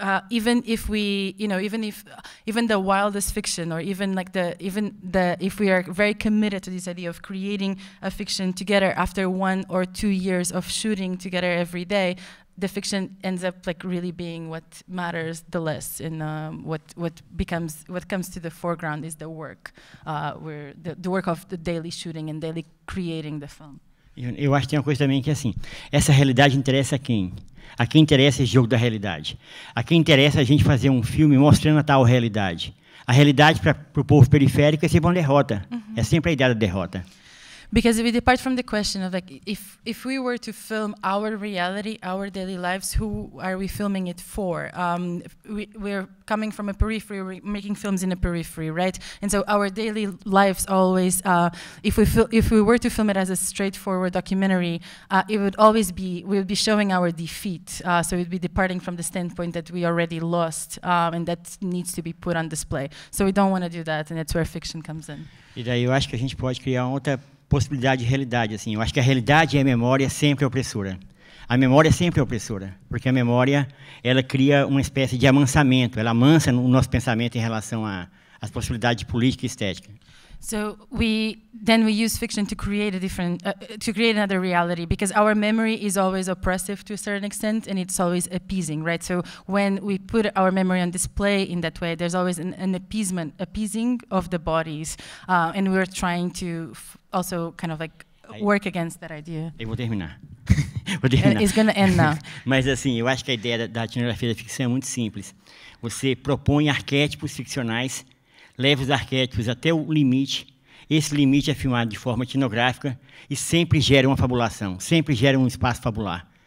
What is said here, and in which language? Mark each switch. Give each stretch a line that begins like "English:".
English: even if we, you know, even if even the wildest fiction, or even like the even the if we are very committed to this idea of creating a fiction together after 1 or 2 years of shooting together every day, the fiction ends up like really being what matters the less, and what comes to the foreground is the work, where the work of the daily shooting and daily creating the film.
Portuguese: Eu acho que tem uma coisa também que é assim, essa realidade interessa a quem? A quem interessa esse jogo da realidade? A quem interessa a gente fazer um filme mostrando a tal realidade? A realidade para o povo periférico é sempre uma derrota. Uh-huh. É sempre a ideia da derrota.
English: Because we depart from the question of like, if we were to film our reality, our daily lives, who are we filming it for? We're coming from a periphery, we're making films in a periphery, right? And so our daily lives always, if we were to film it as a straightforward documentary, it would always be, we would be showing our defeat. So we'd be departing from the standpoint that we already lost, and that needs to be put on display. So we don't want to do that, and that's where fiction comes in.
Portuguese: E daí eu acho que a gente pode criar outra possibilidade de realidade, assim. Eu acho que a realidade e a memória sempre é opressora. A memória sempre é opressora, porque a memória, ela cria uma espécie de amansamento, ela amansa o nosso pensamento em relação às possibilidades de política e estética.
English: So we use fiction to create a different to create another reality, because our memory is always oppressive to a certain extent, and it's always appeasing, right? So when we put our memory on display in that way, there's always an appeasing of the bodies, and we're trying to also kind of like work against that idea.
Portuguese: Eu vou terminar. Vou terminar.
English: It's gonna end now.
Portuguese: Mas assim, eu acho que a ideia da etnografia da ficção é muito simples. Você propõe arquétipos ficcionais, leva os arquétipos até o limite, esse limite é filmado de forma etnográfica e sempre gera uma fabulação, sempre gera um espaço fabular.